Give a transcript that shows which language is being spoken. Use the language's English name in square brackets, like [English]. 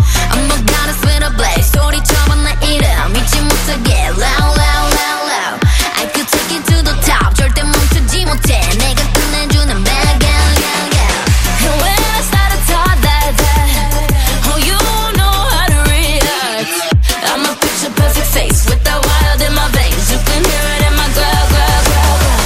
[English] I'm a goddess with a blade. Story time on the eater. Meet you once again. Loud, loud, loud, loud. I could take you to the top. [Korean] 절대 멈추지 못해. [English] 내가 끝내주는 bad girl, girl, girl. And when I started to talk that, oh, you know how to react. I'm a picture perfect face with the wild in my veins. You can hear it in my girl, girl, girl.